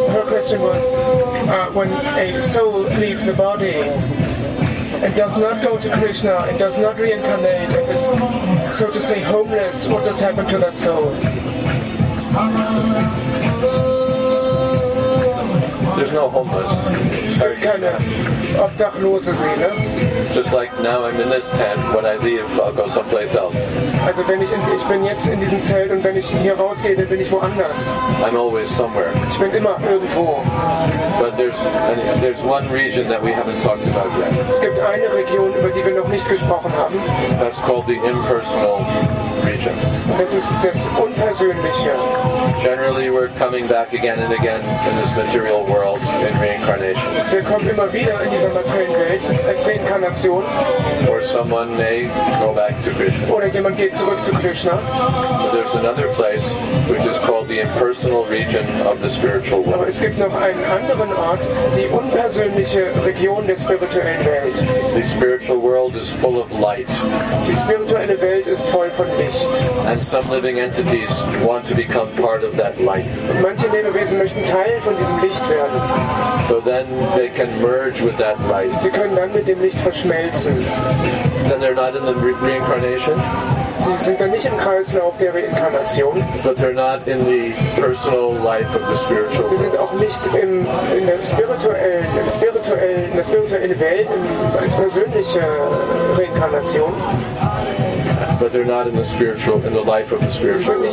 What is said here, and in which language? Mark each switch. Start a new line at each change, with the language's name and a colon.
English: Her question was, when a soul leaves the body and does not go to Krishna, and does not reincarnate, and is, so to say, homeless, what does happen to that soul? There's no homeless. Sorry. Kind of
German: obdachlose Seele.
English: Just like now I'm in this tent, when I leave, I'll go someplace else.
German: Also wenn ich bin jetzt in diesem Zelt und wenn ich hier rausgehe, dann bin ich woanders.
English: I'm always somewhere.
German: Ich bin immer irgendwo.
English: But there's one region that we haven't talked about yet.
German: Es gibt eine Region, über die wir noch nicht gesprochen haben.
English: That's called the impersonal region.
German: Das ist das Unpersönliche.
English: Generally we're coming back again and again in this material world in reincarnation.
German: Wir kommen immer wieder in dieser materiellen Welt als Reinkarnation.
English: Or someone may go back to Krishna.
German: Oder jemand geht zurück zu Krishna.
English: But there's another place which is called the impersonal region of the spiritual world.
German: Aber es gibt noch einen anderen Ort, die unpersönliche Region der spirituellen Welt.
English: The spiritual world is full of light.
German: Die spirituelle Welt ist voll von Licht.
English: And some living entities want to become part of that light.
German: Manche Lebewesen möchten Teil von diesem Licht werden.
English: So then they can merge with that light.
German: Sie können dann mit dem Licht verschmelzen.
English: Then they're not in the reincarnation.
German: Sie sind dann nicht im Kreislauf der Reinkarnation.
English: But they're not in the personal life of the spiritual.
German: Sie sind auch nicht in der spirituellen Welt als persönliche Reinkarnation.
English: But they're not in the spiritual, in the life of the spiritual world.